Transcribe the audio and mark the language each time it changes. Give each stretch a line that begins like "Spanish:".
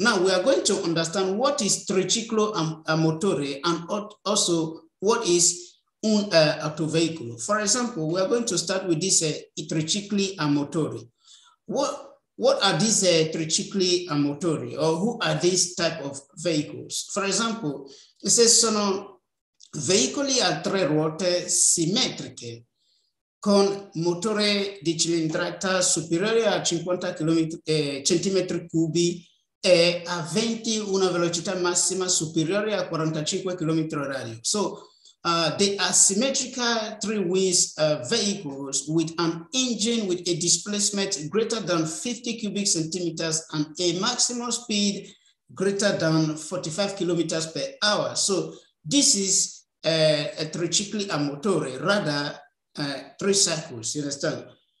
English: Now we are going to understand what is triciclo a motore and also what is un autoveiculo. For example, we are going to start with this it tricicli a motore. What are these tricicli a motori, or who are these type of vehicles? For example, it says,
Italian: sono veicoli a tre ruote simmetriche con motore di cilindrata superiore a 50 centimetri cubi e a 20 una velocità massima superiore a 45 chilometri orari.
English: So, they are symmetrical three-wheels vehicles with an engine with a displacement greater than 50 cubic centimeters and a maximum speed greater than 45 kilometers per hour. So this is a tricicli a motore, rather three cycles, you understand?